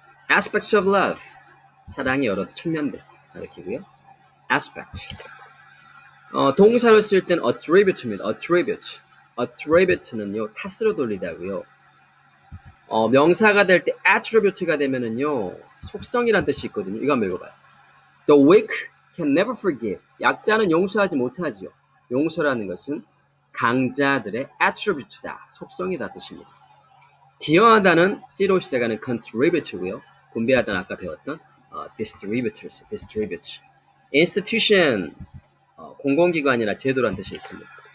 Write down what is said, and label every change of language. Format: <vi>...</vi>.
<ko>aspect of love, 사랑의 여러 측면들 가리키고요. aspect. 동사로 쓸땐 attribute입니다. attribute는요, 탓으로 돌리다고요. 명사가 될때 attribute가 되면은요, 속성이란 뜻이 있거든요. 이거 한번 읽어봐요.</ko> <en>The weak can never forgive.</en> <ko>약자는 용서하지 못하지요. 용서라는 것은 강자들의 attribute다, 속성이다 뜻입니다. 기여하다는 C로 시작하는 contribute고요. 분배하다는 아까 배웠던 distributors, distribute. institution, 공공기관이나 제도란 뜻이 있습니다.</ko>